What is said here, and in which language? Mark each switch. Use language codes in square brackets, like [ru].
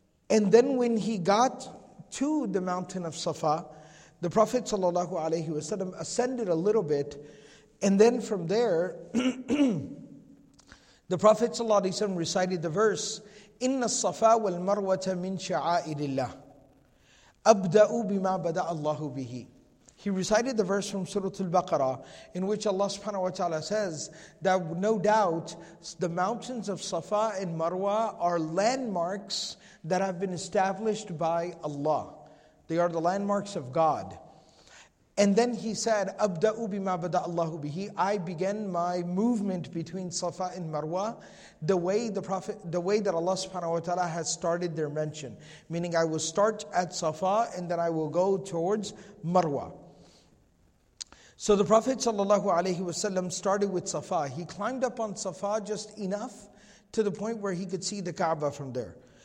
[en] And then when he got to the mountain of Safa, the Prophet sallallahu alaihi wasallam ascended a little bit, and then from there, the Prophet sallallahu alaihi wasallam recited the verse, [ar] إِنَّ الصَّفَا وَالْمَرْوَةَ مِنْ شَعَائِرِ اللَّهِ أَبْدَأُ بِمَا بَدَأَ اللَّهُ بِهِ. [en] He recited the verse from Surah Al-Baqarah, in which Allah subhanahu wa ta'ala says that no doubt the mountains of Safa and Marwa are landmarks that have been established by Allah. They are the landmarks of God. And then he said, [ar] أَبْدَأُ بِمَا بَدَأَ اللَّهُ بِهِ. [en] I began my movement between Safa and Marwa the way the Prophet, the way that Allah subhanahu wa ta'ala has started their mention. Meaning I will start at Safa and then I will go towards Marwa. So the Prophet sallallahu alaihi wasallam started with Safa. He climbed up on Safa just enough to the point where he could see the Kaaba from there.